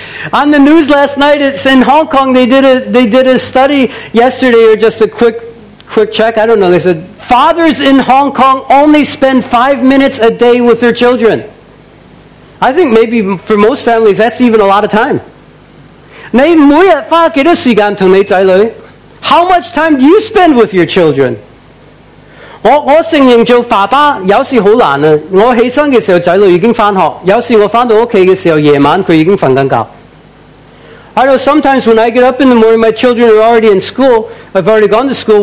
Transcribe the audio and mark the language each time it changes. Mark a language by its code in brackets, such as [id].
[en] On the news last night, it's in Hong Kong. They did a study yesterday, or just a quick check. I don't know. They said fathers in Hong Kong only spend 5 minutes a day with their children. I think maybe for most families, that's even a lot of time. [yue] 你每日花幾多時間同你仔女？ [en] How much time do you spend with your children? [yue] 我承認做爸爸有時好難啊。我起身嘅時候仔女已經翻學，有時我翻到屋企嘅時候夜晚佢已經瞓緊覺。 [en] I know sometimes when I get up in the morning, my children are already in school. I've already gone to school.